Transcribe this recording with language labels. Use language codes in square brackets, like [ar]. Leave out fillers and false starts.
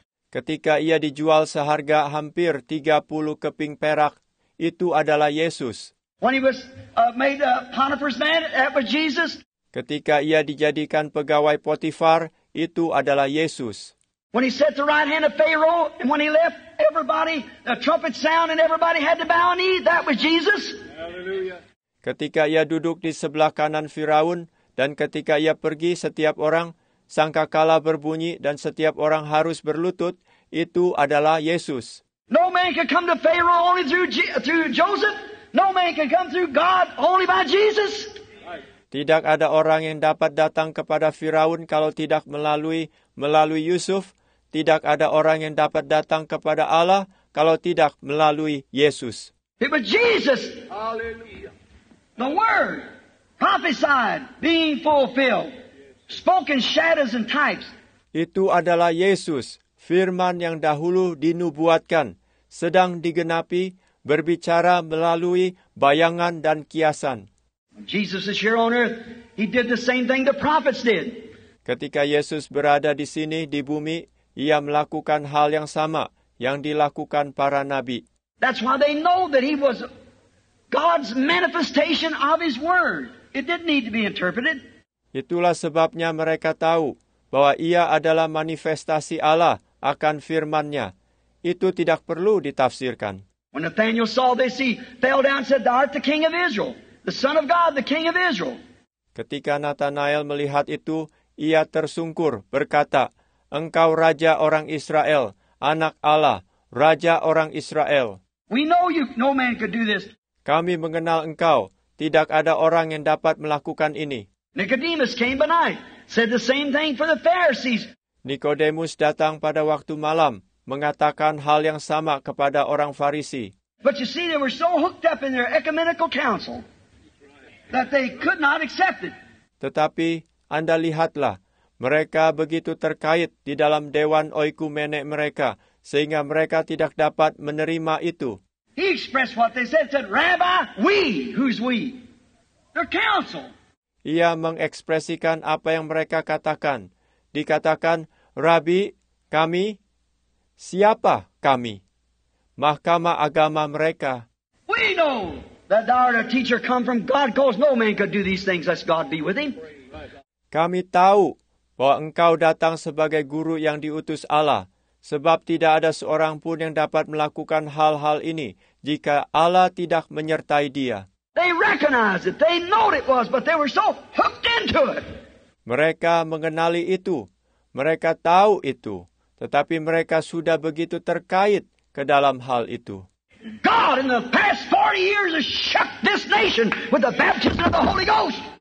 [id] Ketika ia dijual seharga hampir 30 keping perak, itu adalah Yesus. [en] When he was made Potiphar's man, that was Jesus. [id] Ketika ia dijadikan pegawai Potifar, itu adalah Yesus. [en] When he sat the right hand of Pharaoh, and when he left, everybody, the trumpet sound, and everybody had to bow a knee, that was Jesus. Hallelujah. [id] Ketika ia duduk di sebelah kanan Firaun, dan ketika ia pergi, setiap orang sangkakala berbunyi, dan setiap orang harus berlutut, itu adalah Yesus. [en] No man can come to Pharaoh only through Joseph. No man can come through God only by Jesus. [id] Tidak ada orang yang dapat datang kepada Firaun kalau tidak melalui Yusuf. Tidak ada orang yang dapat datang kepada Allah kalau tidak melalui Yesus. [en] It was Jesus. Hallelujah. The word prophesied being fulfilled. Spoken shadows and types. [id] Itu adalah Yesus, firman yang dahulu dinubuatkan, sedang digenapi, berbicara melalui bayangan dan kiasan. [en] Jesus is here on earth. He did the same thing the prophets did. [id] Ketika Yesus berada di sini di bumi, ia melakukan hal yang sama yang dilakukan para nabi. [en] That's why they know that he was God's manifestation of his word. It didn't need to be interpreted. [id] Itulah sebabnya mereka tahu bahwa ia adalah manifestasi Allah akan firman-Nya. Itu tidak perlu ditafsirkan. [en] When Nathanael saw this, he fell down and said, "Thou art the King of Israel." The Son of God, the King of Israel. [id] Ketika Nathanael melihat itu, ia tersungkur, berkata, Engkau Raja Orang Israel, Anak Allah, Raja Orang Israel. [en] We know you, no man could do this. [id] Kami mengenal engkau, tidak ada orang yang dapat melakukan ini. [en] Nicodemus came by night, said the same thing for the Pharisees. [id] Nicodemus datang pada waktu malam, mengatakan hal yang sama kepada orang Farisi. [en] But you see, they were so hooked up in their ecumenical council. That they could not accept it. [id] Tetapi, Anda lihatlah, mereka begitu terkait di dalam Dewan Oikumene mereka, sehingga mereka tidak dapat menerima itu. [en] He expressed what they said, Rabbi, we, who's we? Their council. [id] Ia mengekspresikan apa yang mereka katakan. Dikatakan, Rabbi, kami, siapa kami? Mahkamah agama mereka. [en] We know. That thou art a teacher come from God, because no man could do these things unless God be with him. [id] Kami tahu bahwa engkau datang sebagai guru yang diutus Allah, sebab tidak ada seorang pun yang dapat melakukan hal-hal ini jika Allah tidak menyertai dia. [en] They recognized it, they knew it was, but they were so hooked into it. [id] Mereka mengenali itu, mereka tahu itu, tetapi mereka sudah begitu terkait ke dalam hal itu. [en] God in the past 40 years has shook this nation with the baptism of the Holy Ghost.